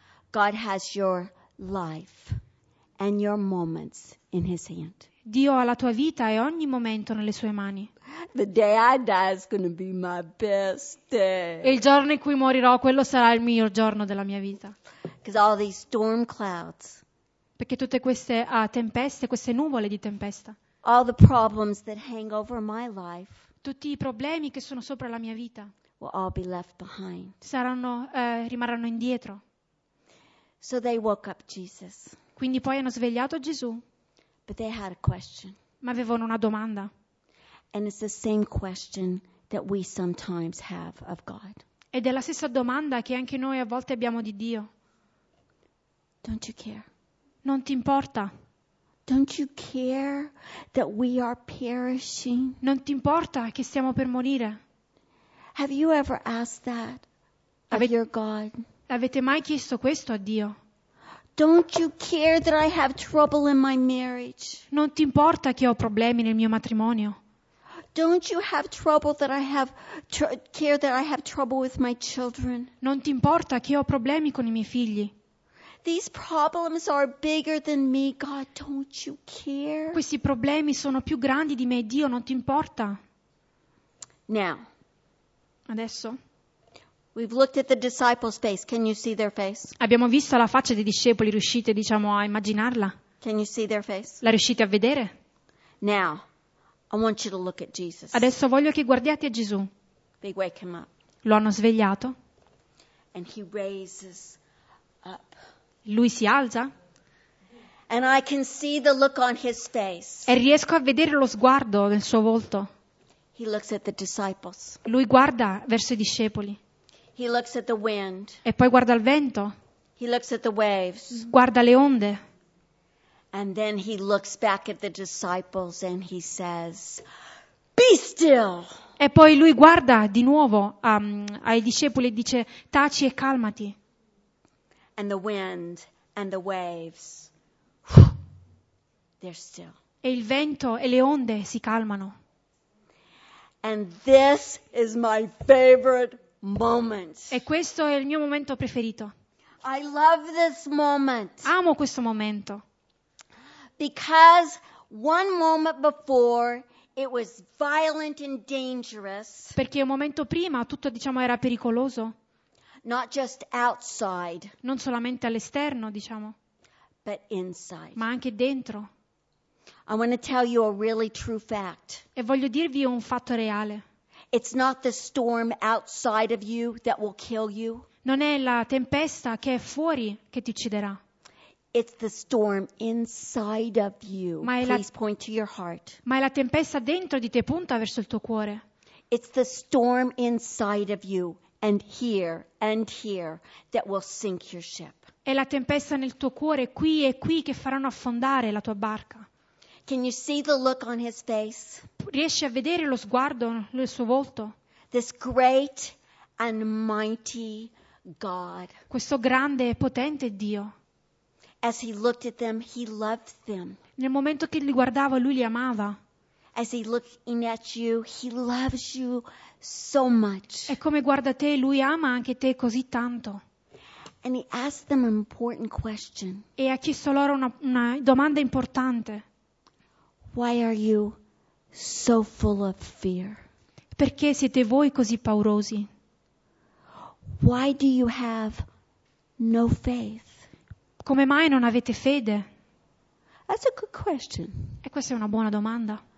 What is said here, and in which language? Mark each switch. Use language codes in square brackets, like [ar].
[en] God has your life and your moments in his hand. [it] Dio ha la tua vita e ogni momento nelle sue mani. [en] The day I die is going to be my best day. [it] Il giorno in cui morirò, quello sarà il miglior giorno della mia vita. [en] Because all these storm clouds. [it] Perché tutte queste tempeste, queste nuvole di tempesta. [en] All the problems that hang over my life. [it] Tutti i problemi che sono sopra la mia vita. [en] Will all be left behind. [it] Rimarranno indietro. [en] So they woke up Jesus. [it] Quindi poi hanno svegliato Gesù. [en] But they had a question. [it] Ma avevano una domanda. [en] And it's the same question that we sometimes have of God. [it] Ed è la stessa domanda che anche noi a volte abbiamo di Dio. [en] Don't you care? [it] Non ti importa? [en] Don't you care that we are perishing? [it] Non ti importa che stiamo per morire? [en] Have you ever asked that of your God? [it] Avete mai chiesto questo a Dio? [en] Don't you care that I have trouble in my marriage? [it] Non ti importa che ho problemi nel mio matrimonio? [en] Don't you have trouble that I have care that I have trouble with my children? [it] Non ti importa che ho problemi con i miei figli? [en] These problems are bigger than me, God. Don't you care? [it] Questi problemi sono più grandi di me, Dio. Non ti importa? [en] Now. [it] Adesso. [en] We've looked at the disciples' face. Can you see their face? [it] Abbiamo visto la faccia dei discepoli. Riuscite, diciamo, a immaginarla? [en] Can you see their face? [it] La riuscite a vedere? [en] Now. I want you to look at Jesus. [it] Adesso voglio che guardiate a Gesù. [en] They wake him up. [it] Lo hanno svegliato. [en] And he raises up. [it] Lui si alza. [en] And I can see the look on his face. [it] E riesco a vedere lo sguardo nel suo volto. [en] He looks at the disciples. [it] Lui guarda verso i discepoli. [en] He looks at the wind. [it] E poi guarda il vento. [en] He looks at the waves. [it] Guarda le onde. [en] And then he looks back at the disciples and he says, "Be still." [it] E poi lui guarda di nuovo ai discepoli e dice, "Taci e calmati." [en] And the wind and the waves, they're still. [it] E il vento e le onde si calmano. [en] And this is my favorite moment. [it] E questo è il mio momento preferito. [en] I love this moment. [it] Amo questo momento. [en] Because one moment before it was violent and dangerous. [it] Perché un momento prima tutto, diciamo, era pericoloso. [en] Not just outside. [it] Non solamente all'esterno, diciamo. [en] But inside. [it] Ma anche dentro. [en] I want to tell you a really true fact. [it] E voglio dirvi un fatto reale. [en] It's not the storm outside of you that will kill you. [it] Non è la tempesta che è fuori che ti ucciderà. [en] It's the storm inside of you. Please point to your heart. [it] Ma è la tempesta dentro di te, punta verso il tuo cuore. [en] It's the storm inside of you and here that will sink your ship. [it] È la tempesta nel tuo cuore, qui e qui, che faranno affondare la tua barca. [en] Can you see the look on his face? [it] Riesci a vedere lo sguardo nel suo volto? [en] This great and mighty God. [it] Questo grande e potente Dio. [en] As he looked at them, he loved them. [it] Nel momento che li guardava, lui li amava. [en] As he looking at you, he loves you so much. [it] E come guarda te, lui ama anche te così tanto. [en] And he asked them an important question. [it] E ha chiesto loro una domanda importante. [en] Why are you so full of fear? [it] Perché siete voi così paurosi? [en] Why do you have no faith? [it] Come mai non avete fede? [en] That's a good question. [it] E questa è una buona domanda.